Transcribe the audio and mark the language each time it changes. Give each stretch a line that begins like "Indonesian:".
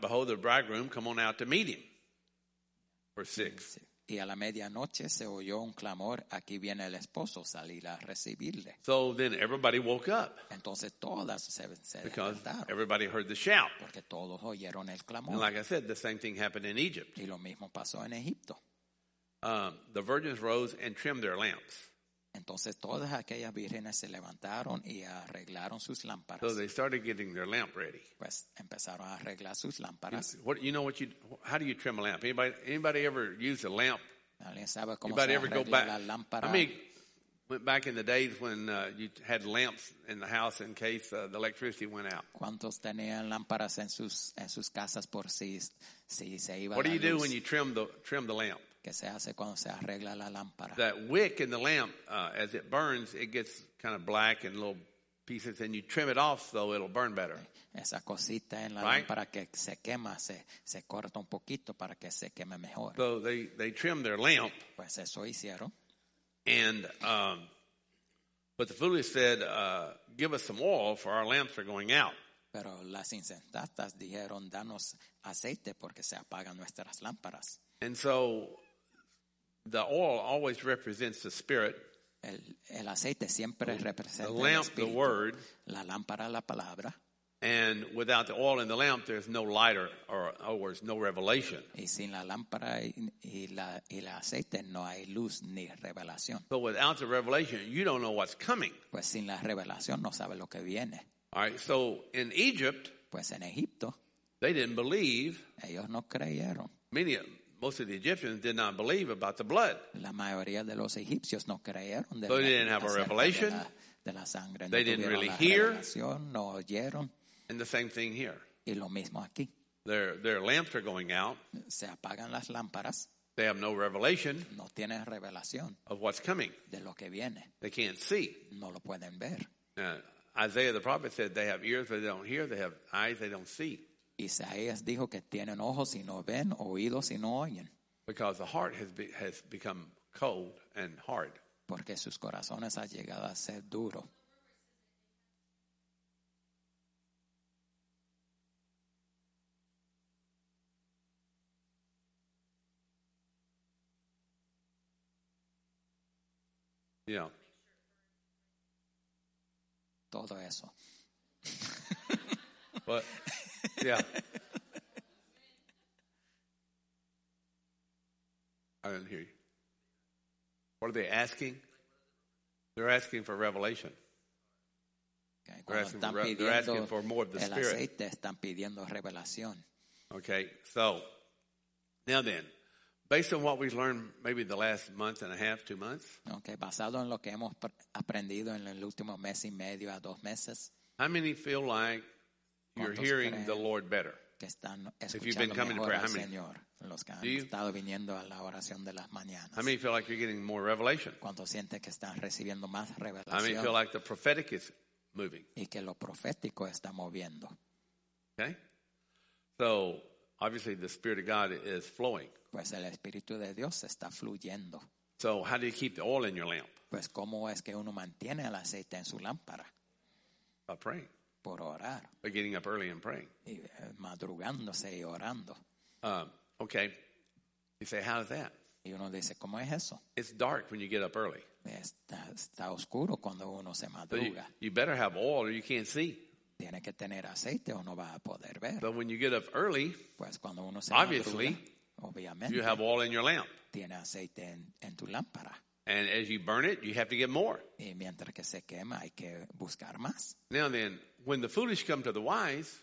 English: Behold, the bridegroom, come on out to meet him. Verse 6.
Spanish: Y a la medianoche se oyó un clamor. Aquí viene el esposo, salir a recibirle.
English: So then everybody woke up.
Spanish: Entonces todas se levantaron.
English: Because everybody heard the shout.
Spanish: Porque todos oyeron el clamor.
English: And like I said, the same thing happened in Egypt.
Spanish: Y lo mismo pasó en Egipto.
English: The virgins rose and trimmed their lamps.
Spanish: Entonces todas aquellas vírgenes se levantaron y arreglaron sus lámparas.
English: So they started getting their lamp ready.
Spanish: Pues empezaron a arreglar sus lámparas.
English: How do you trim a lamp? Anybody ever use a lamp?
Spanish: ¿Alguien sabe cómo se arregla la lámpara?
English: I mean, went back in the days when you had lamps in the house in case the electricity went out.
Spanish: ¿Cuántos tenían lámparas en sus casas por si se iba?
English: What do you
Spanish: luz?
English: Do when you trim the lamp?
Spanish: Que se hace cuando se arregla la lámpara.
English: That wick in the lamp, as it burns, it gets kind of black and little pieces, and you trim it off so it'll burn better.
Spanish: Esa cosita en la lámpara que se quema, se corta un poquito para que se queme mejor.
English: So they trimmed their lamp.
Spanish: Pues eso hicieron.
English: And but the foolish said, give us some oil, for our lamps are going out.
Spanish: Pero las insensatas dijeron, danos aceite porque se apagan nuestras lámparas.
English: And so the oil always represents the spirit.
Spanish: El aceite siempre representa el espíritu.
English: The lamp, the word.
Spanish: La lámpara, la palabra.
English: And without the oil in the lamp, there's no light or in other words, no revelation.
Spanish: Y sin la lámpara y el aceite, no hay luz ni revelación.
English: But without the revelation, you don't know what's coming.
Spanish: Pues sin la revelación, no sabe lo que viene.
English: All right, so in Egypt,
Spanish: pues en Egipto,
English: they didn't believe.
Spanish: Ellos no creyeron.
English: Most of the Egyptians did not believe about the blood.
Spanish: La mayoría de los egipcios no creyeron.
English: So they didn't have a revelation.
Spanish: De la sangre.
English: They
Spanish: no
English: didn't really
Spanish: la
English: hear.
Spanish: No oyeron.
English: And the same thing here.
Spanish: Y lo mismo aquí.
English: Their lamps are going out.
Spanish: Se apagan las lámparas.
English: They have no revelation.
Spanish: No tienen revelación.
English: Of what's coming.
Spanish: De lo que viene.
English: They can't see.
Spanish: No lo pueden ver.
English: Isaiah the prophet said, they have ears, but they don't hear. They have eyes, they don't see.
Spanish: Isaías dijo que tienen ojos y no ven, oídos y no oyen.
English: Because the heart has become cold and hard.
Spanish: Porque sus corazones han llegado a ser duro.
English: Yeah.
Spanish: Todo eso.
English: But yeah. I didn't hear you. What are they asking? They're asking for revelation. Okay, they're, they're asking for more of the
Spanish: el
English: Spirit.
Spanish: Aceite, están pidiendo revelación.
English: Okay, so now then, based on what we've learned maybe the last month and a half, 2 months.
Spanish: Okay, basado en lo que hemos aprendido en el último mes y medio a dos meses.
English: How many feel like you're hearing the Lord better?
Spanish: Que están escuchando,
English: if you've been coming to prayer, how many?
Spanish: Los que han estado viniendo a la oración de las mañanas.
English: How many feel like you're getting more revelation?
Spanish: ¿Cuánto siente que están recibiendo más revelación?
English: How many feel like the prophetic is moving?
Spanish: Y que lo profético está moviendo.
English: Okay. So, obviously the Spirit of God is flowing.
Spanish: Pues el Espíritu de Dios está fluyendo.
English: So, how do you keep the oil in your lamp?
Spanish: Pues cómo es que uno mantiene el aceite en su lámpara.
English: By praying.
Spanish: Por orar.
English: By getting up early and praying.
Spanish: Y madrugándose y orando.
English: Okay, you say, how is that?
Spanish: Y uno dice, ¿cómo es eso?
English: It's dark when you get up early.
Spanish: Está oscuro cuando uno se madruga.
English: So you better have oil or you can't see.
Spanish: Tiene que tener aceite o no va a poder ver.
English: But when you get up early,
Spanish: pues cuando uno se
English: obviously,
Spanish: madruga, obviamente,
English: you have oil in your lamp.
Spanish: Tiene aceite en tu lámpara.
English: And as you burn it, you have to get more.
Spanish: Y mientras que se quema, hay que buscar más.
English: Now then, when the foolish come to the wise,